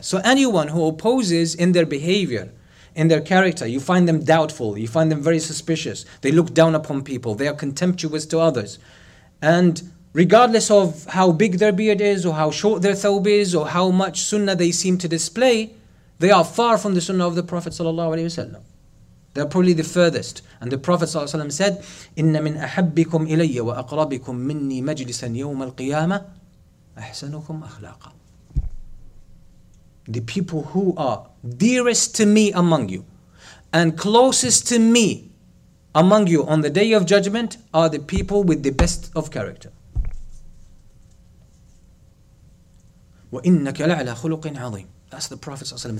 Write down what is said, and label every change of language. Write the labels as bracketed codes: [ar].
[en] So anyone who opposes in their behavior, in their character, you find them doubtful, you find them very suspicious, they look down upon people, they are contemptuous to others. And regardless of how big their beard is, or how short their thawb is, or how much sunnah they seem to display, they are far from the sunnah of the Prophet ﷺ. They are probably the furthest. And the Prophet ﷺ said, [ar] إِنَّ مِنْ أَحَبِّكُمْ إِلَيَّ وَأَقْرَبِكُمْ مِنِّي مَجْلِسًا يَوْمَ الْقِيَامَةِ أَحْسَنُكُمْ أَخْلَاقًا. [en] The people who are dearest to me among you and closest to me among you on the Day of Judgment are the people with the best of character. [ar] وَإِنَّكَ لَعْلَى خُلُقٍ عَظِيمٍ. [en] That's the Prophet ﷺ.